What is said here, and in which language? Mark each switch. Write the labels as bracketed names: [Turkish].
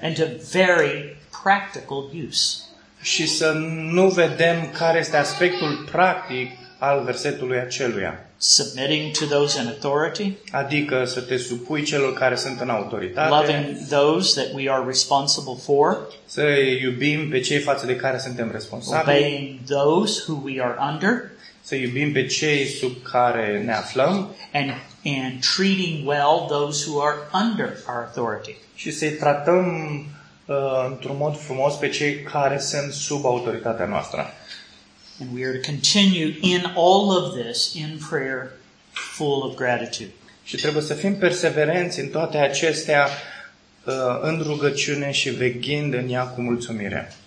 [English] And a very practical use. [Romanian] Și să nu vedem care este aspectul practic al versetului aceluia. [English] Submitting to those in authority. [Romanian] Adică să te supui celor care sunt în autoritate. [English] Loving those that we are responsible for. [Romanian] Să iubim pe cei față de care suntem responsabili. [English] Obeying those who we are under. [Romanian] Să iubim pe cei sub care ne aflăm. [English] And treating well those who are under our authority. [Romanian] Și să-i tratăm într-un mod frumos pe cei care sunt sub autoritatea noastră. [English] And we are to continue in all of this in prayer full of gratitude. [Romanian] Și trebuie să fim perseverenți în toate acestea în rugăciune și veghind în ea cu mulțumire.